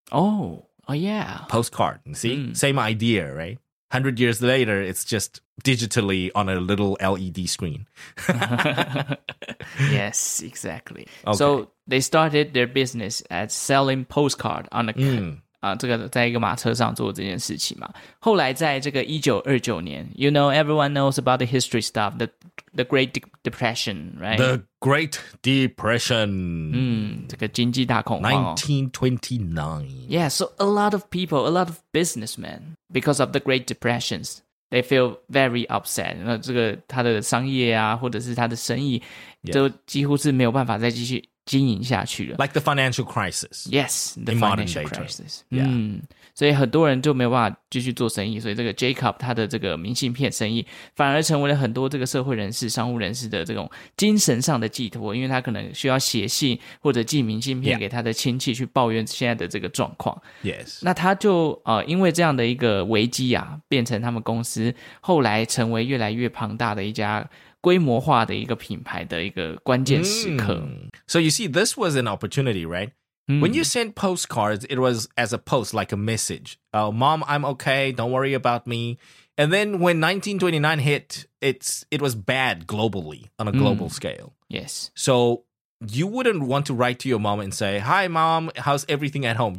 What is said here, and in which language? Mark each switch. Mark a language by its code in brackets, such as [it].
[en] Oh, yeah. Postcard, see? Same idea, right? 100 years later, it's just digitally on a little LED screen. Yes, exactly. Okay. So they started their business at selling postcard on a... Mm. [zh] 在一个马车上做这件事情嘛。后来在这个1929年 [en] ,you know, everyone knows about the history stuff, the Great Depression, right? The Great Depression. [zh] 这个经济大恐慌。 [en] 1929. Yeah, so a lot of people, a lot of businessmen, because of the Great Depressions, they feel very upset. [zh] 那这个他的商业啊或者是他的生意都几乎是没有办法再继续。经营下去了 [en] Like the financial crisis. Yes, the financial crisis. [zh] 所以很多人就没有办法继续做生意，所以这个 Jacob 他的这个明信片生意反而成为了很多这个社会人士、商务人士的这种精神上的寄托，因为他可能需要写信或者寄明信片给他的亲戚去抱怨现在的这个状况。 [en] Yes. [zh] 那他就因为这样的一个危机啊，变成他们公司后来成为越来越庞大的一家规模化的一个品牌的一个关键时刻。 [en] So you see, this was an opportunity, right? When you send postcards, it was as a post, like a message. Oh, mom, I'm okay. Don't worry about me. And then when 1929 hit, it was bad globally, on a global scale. Yes. So you wouldn't want to write to your mom and say, Hi, mom, how's everything at home?